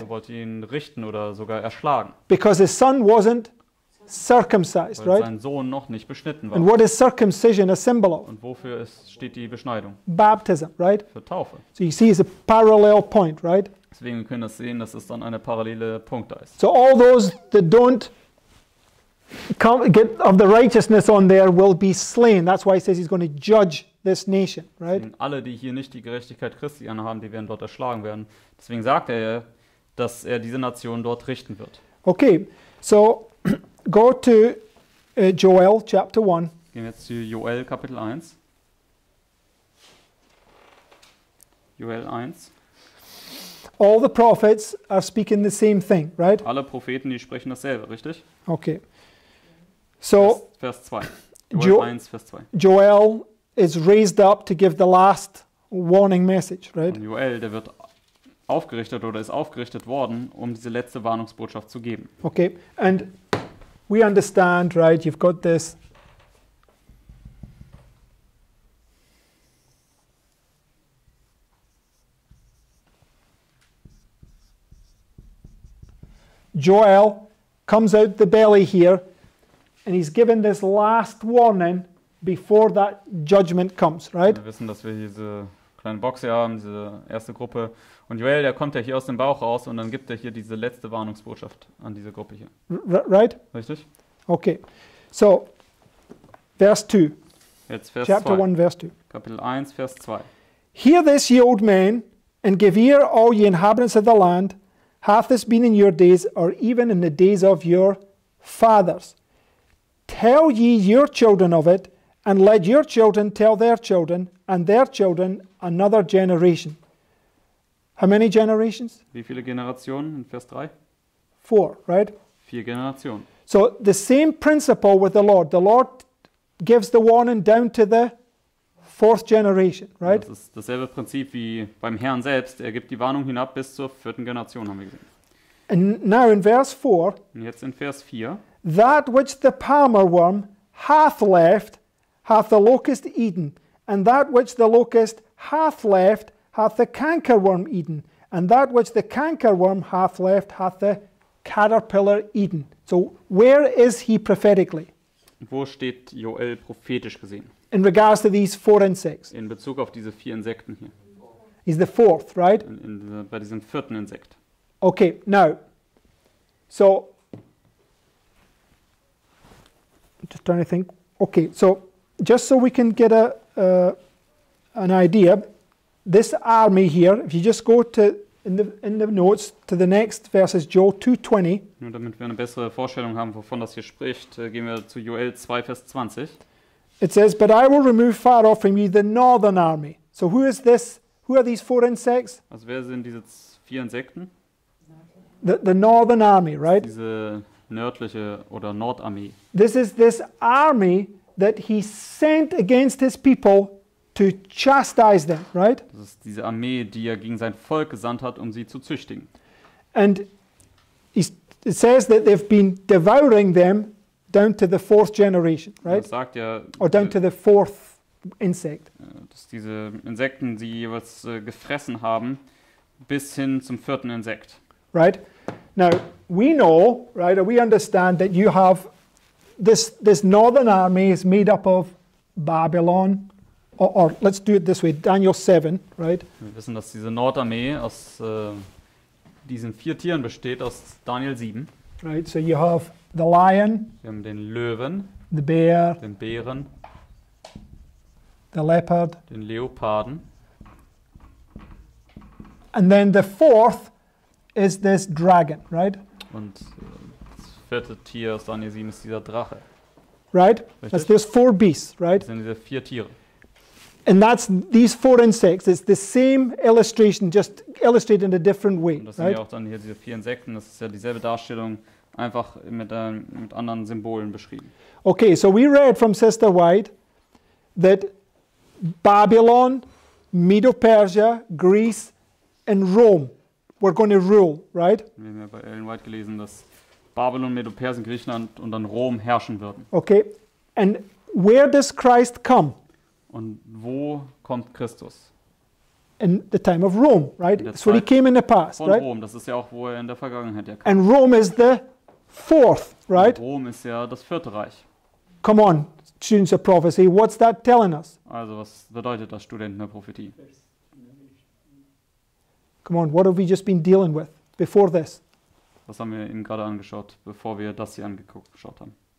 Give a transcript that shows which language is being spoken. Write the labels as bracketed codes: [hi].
[de] Er wollte ihn richten oder sogar erschlagen. [en] Because his son wasn't circumcised, right? [de] Sein Sohn noch nicht beschnitten war. [en] And what is circumcision a symbol of? [de] Und wofür steht die Beschneidung? [en] Baptism, right? [de] Für Taufe. [en] So you see, it's a parallel point, right? [de] Deswegen können wir sehen, dass es dann eine parallele Punkt da ist. [en] So all those that don't come get of the righteousness on there will be slain. That's why he says he's going to judge this nation, right? [de] Deswegen alle, die hier nicht die Gerechtigkeit Christi anhaben, die werden dort erschlagen werden. Deswegen sagt er, dass er diese Nation dort richten wird. [en] Okay, so go to Joel chapter 1. [de] Gehen wir jetzt zu Joel Kapitel 1. [en] Joel 1. All the prophets are speaking the same thing, right? [de] Alle Propheten, die sprechen dasselbe, richtig? [en] Okay. So [de] Vers 2. Joel 1 Vers 2. [en] Joel is raised up to give the last warning message, right? [de] Und Joel, der wird aufgerichtet oder ist aufgerichtet worden, um diese letzte Warnungsbotschaft zu geben. [en] Okay. And we understand, right? You've got this. Joel comes out the belly here and he's given this last warning before that judgment comes, right? [de] Wir wissen, dass wir diese kleine Box hier haben, diese erste Gruppe. Und Joel, der kommt ja hier aus dem Bauch raus und dann gibt er hier diese letzte Warnungsbotschaft an diese Gruppe hier. [en] Right? [de] Richtig. [en] Okay. So, [de] Vers 2. Jetzt Vers [en] Chapter 2. One, verse 2. [de] Kapitel 1, Vers 2. [en] Hear this, ye old men, and give ear, all ye inhabitants of the land. Hath this been in your days, or even in the days of your fathers? Tell ye your children of it, and let your children tell their children another generation. How many generations? [de] Wie viele Generationen in Vers 3? [en] Four, right? [de] Vier Generationen. [en] So the same principle with the Lord. The Lord gives the warning down to the fourth generation, right? [de] Das ist dasselbe Prinzip wie beim Herrn selbst. Er gibt die Warnung hinab bis zur vierten Generation, haben wir gesehen. [en] And now in verse 4. [de] Und jetzt in Vers 4. [en] That which the palmer worm hath left, hath the locust eaten. And that which the locust hath left, hath the cankerworm eaten, and that which the cankerworm hath left, hath the caterpillar eaten. So where is he prophetically? [de] Wo steht Joel prophetisch gesehen? [en] In regards to these four insects. [de] In Bezug auf diese vier Insekten hier. [en] He's the fourth, right? [de] Bei diesem vierten Insekt. [en] Okay, now, so, I'm just trying to think. Okay, so, just so we can get an idea. This army here, if you just go to in the notes to the next verse is Joel 2:20. [de] Nur damit wir eine bessere Vorstellung haben, wovon das hier spricht, gehen wir zu Joel 2 Vers 20. [en] It says, "But I will remove far off from you the northern army." So who is this? Who are these four insects? [de] Also wer sind diese vier Insekten? [en] the Northern Army, right? [de] Diese nördliche oder Nordarmee. [en] This is this army that he sent against his people to chastise them, right? [de] Das ist diese Armee, die er gegen sein Volk gesandt hat, um sie zu züchtigen. [en] And it says that they've been devouring them down to the fourth generation, right? [de] Das sagt ja, [en] or down to the fourth insect. [de] Dass diese Insekten sie jeweils gefressen haben bis hin zum vierten Insekt. [en] Right? Now, we know, right, or we understand that you have this northern army is made up of Babylon, or let's do it this way, Daniel 7, right? [de] Wir wissen, dass diese Nordarmee aus diesen vier Tieren besteht, aus Daniel 7. [en] Right, so you have the lion. [de] Wir haben den Löwen. [en] The bear. [de] Den Bären. [en] The leopard. [de] Den Leoparden. [en] And then the fourth is this dragon, right? [de] Und das vierte Tier aus Daniel 7 ist dieser Drache. [en] Right? [de] Richtig? [en] That's those four beasts, right? [de] Das sind diese vier Tiere. [en] And that's these four insects. It's the same illustration, just illustrated in a different way. [de] Und das sind ja auch dann hier diese vier Insekten. Das ist ja dieselbe Darstellung, einfach mit anderen Symbolen beschrieben. [en] Okay, so we read from Sister White that Babylon, Medo-Persia, Greece and Rome were going to rule, right? [de] Wir haben ja bei Ellen White gelesen, dass Babylon, Medo-Persien, Griechenland und dann Rom herrschen würden. [en] Okay, and where does Christ come? [de] Und wo kommt Christus? [en] In the time of Rome, right? So he came in the past, [de] von [en] right? [de] Rom, das ist ja auch, wo er in der Vergangenheit ja kam. [en] And Rome is the fourth, right? [de] Rom ist ja das vierte Reich. [en] Come on, students of prophecy, what's that telling us? [de] Also, was bedeutet das, Studenten der Prophetie? [en] Come on, what have we just been dealing with before this? [de] Was haben wir eben gerade angeschaut, bevor wir das hier angeschaut haben?